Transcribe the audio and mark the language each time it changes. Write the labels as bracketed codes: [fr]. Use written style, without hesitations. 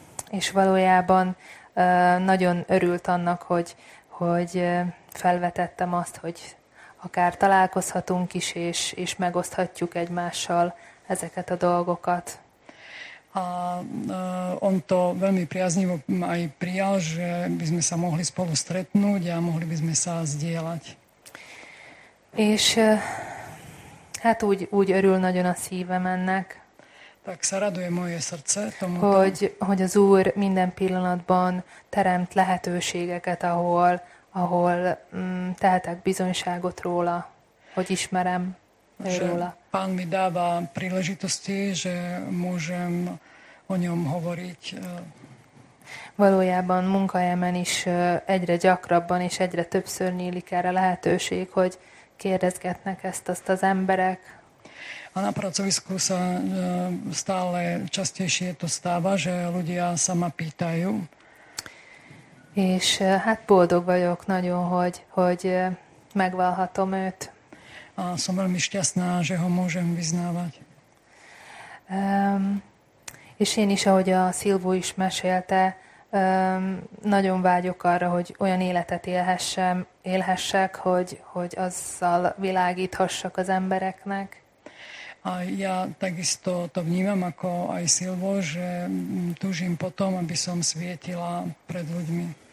[hu] És valójában nagyon örült annak, hogy felvetettem azt, hogy akár találkozhatunk is, és megoszthatjuk egymással ezeket a dolgokat. [sk] A on to veľmi priaznivo aj prijal, že by sme sa mohli spolu stretnúť a mohli by sme sa zdieľať. [hu] És hát úgy örül nagyon a szívem ennek. [sk] Tak sa raduje moje srdce tomuto. [hu] Hogy az Úr minden pillanatban teremt lehetőségeket, ahol tehetek bizonyságot róla, hogy ismerem róla. [sk] Pán mi dáva príležitosti, že môžem o ňom hovoriť. [hu] Valójában munkahelyemen is egyre gyakrabban és egyre többször nyílik erre lehetőség, hogy kérdezgetnek ezt azt az emberek. [sk] A na pracovisku sa stále častejšie to stáva, že ľudia sa ma pýtajú. [hu] És hát boldog vagyok nagyon, hogy megvallhatom őt. [sk] A som veľmi šťastná, že ho môžem vyznávať. [hu] És én is, ahogy a Szilvó is mesélte, nagyon vágyok arra, hogy olyan életet élhessek, hogy azzal világíthassak az embereknek. [sk] A ja takisto to vnímam ako aj Silvo, že túžim potom, aby som svietila pred ľuďmi.